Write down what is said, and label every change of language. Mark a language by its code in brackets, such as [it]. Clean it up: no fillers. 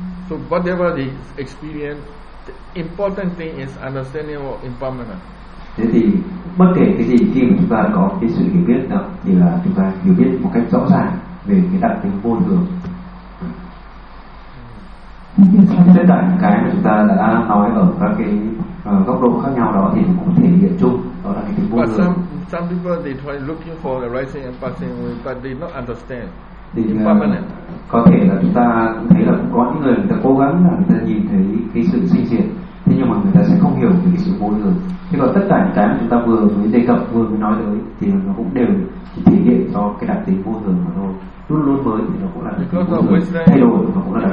[en] So whatever the experience, the important thing is understanding or impermanence. [vi] Thế thì bất kể cái gì khi mà chúng ta có cái sự hiểu biết đó, thì là chúng ta hiểu biết một cách rõ ràng về cái đặc tính vô thường. Tất cả những cái mà chúng ta đã nói ở các cái góc độ khác nhau đó thì cũng thể hiện chung đó là cái tính vô thường. [en] Some people they try looking for the rising and passing, but they not understand. [vi] Thì có thể là chúng ta thấy là có những người người ta cố gắng là người ta nhìn thấy cái sự sinh diệt, thế nhưng mà người ta sẽ không hiểu về cái sự vô thường. Thế còn tất cả những cái mà chúng ta vừa mới đề cập, vừa mới nói tới thì nó cũng đều chỉ thể hiện cho cái đặc tính vô thường mà thôi. Luôn luôn mới thì nó cũng là thay đổi mà cũng là đặc